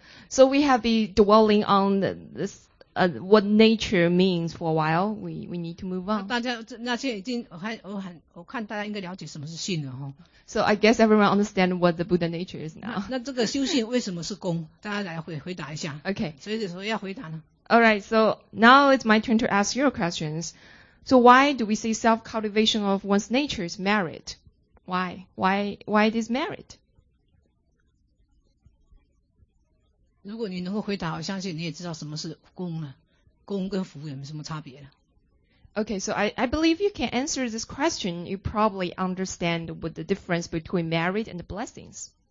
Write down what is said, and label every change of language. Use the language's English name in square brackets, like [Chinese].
[English] So we have been dwelling on this, what nature means for a while. We need to move on. [Chinese] 大家那些已经我看大家应该了解什么是性了， [English] So I guess everyone understands what the Buddha nature is now. [Chinese] 那这个修性为什么是空？大家来回答一下。 [English] Okay. [Chinese] 所以说要回答呢。 [English] All right. So now it's my turn to ask your questions. So why do we say self-cultivation of one's nature is merit? Why it is merit? [Chinese] 如果你能够回答，我相信你也知道什么是功了。功跟福有什么差别了。 [English] Okay, so I believe you can answer this question. You probably understand what the difference between merit and the blessings.